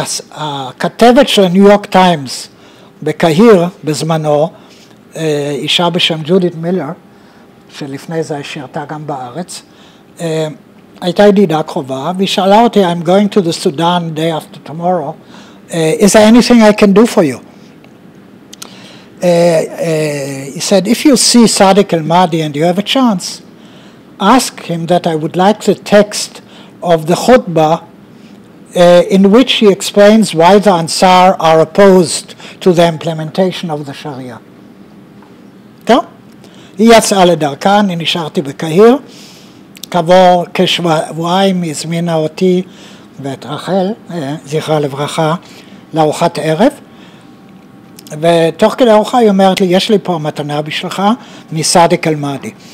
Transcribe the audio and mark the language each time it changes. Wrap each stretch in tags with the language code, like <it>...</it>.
<he>הכתבת של ניו יורק טיימס, בקהיר בזמנו, אישה בשם ג'ודית מילר, שלפני זה שירתה גם בארץ, הייתה ידידה קרובה, והיא שאלה אותי,</he> <en>I'm going to the Sudan day after tomorrow, is there anything I can do for you? He said, if you see Sadiq al-Mahdi and you have a chance, ask him that I would like the text of the khutbah in which he explains why the Ansar are opposed to the implementation of the Sharia.</en> <he>טוב, היא יצאה לדרכה, אני נשארתי בקהיר, כעבור כשבועיים הזמינה אותי ואת רחל, זכרה לברכה, לארוחת ערב, ותוך כדי ארוחה היא אומרת לי, יש לי פה מתנה בשלך, מסאדיק אל-מאדי.</he>